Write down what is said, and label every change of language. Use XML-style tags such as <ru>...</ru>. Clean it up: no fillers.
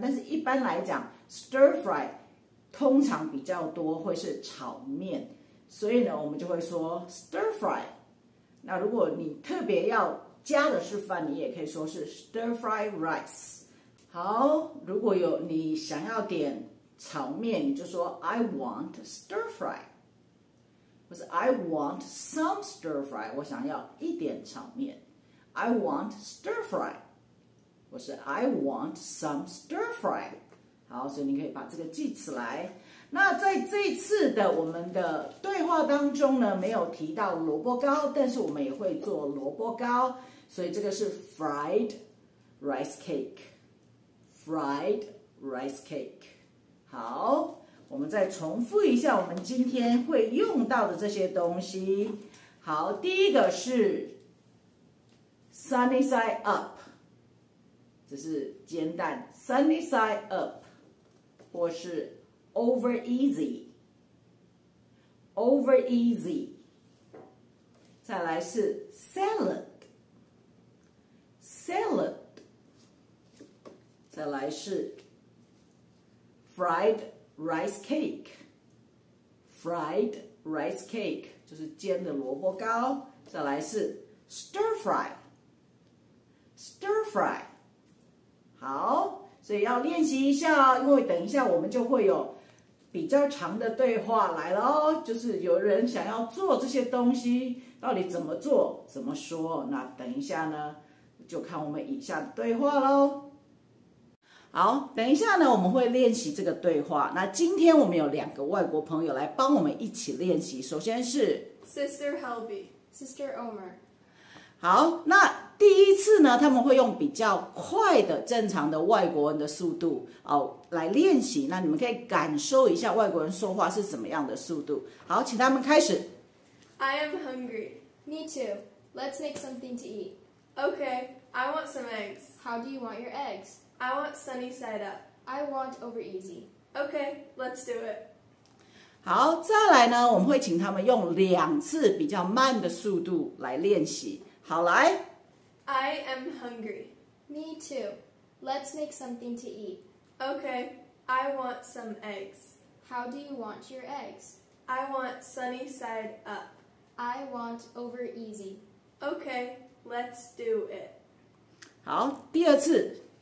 <zh>但是一般来讲 ，stir fry 通常比较多会是炒面，所以呢，我们就会说 stir fry。那如果你特别要加的是饭，你也可以说是 stir fry rice。好，如果有你想要点炒面，你就说</zh> <en>I want stir fry。</en> <zh>或是</zh> <en>I want some stir fry，</en> <zh>我想要一点炒面。</zh> <en>I want stir fry，</en> <zh>或是</zh> <en>I want some stir fry。</en> <zh>好，所以你可以把这个记起来。那在这一次的我们的对话当中呢，没有提到萝卜糕，但是我们也会做萝卜糕，所以这个是 fried rice cake， fried rice cake。好。我们再重复一下我们今天会用到的这些东西。好，第一个是 sunny side up， 这是煎蛋 sunny side up， 或是 over easy， over easy。再来是 salad， salad。再来是 friedRice cake， fried rice cake 就是煎的萝卜糕。再来是 stir fry， stir fry。好，所以要练习一下，因为等一下我们就会有比较长的对话来了，就是有人想要做这些东西，到底怎么做怎么说，那等一下呢就看我们以下的对话咯。好，等一下呢，我们会练习这个对话。那今天我们有两个外国朋友来帮我们一起练习。首先是</zh> <en>Sister Helby， Sister Omer。</en> <zh>好，那第一次呢，他们会用比较快的正常的外国人的速度哦来练习。那你们可以感受一下外国人说话是怎么样的速度。好，请他们开始。</zh> <en>I am hungry. Me too. Let's make something to eat. Okay. I want some eggs. How do you want your eggs? I want sunny side up. I want over easy. Okay, let's do it.</en> <zh>好，再来呢，我们会请他们用两次比较慢的速度来练习。好，来。</zh> <en>I am hungry. Me too. Let's make something to eat. Okay, I want some eggs. How do you want your eggs? I want sunny side up. I want over easy. Okay, let's do it.</en> <zh>好，第二次。</zh>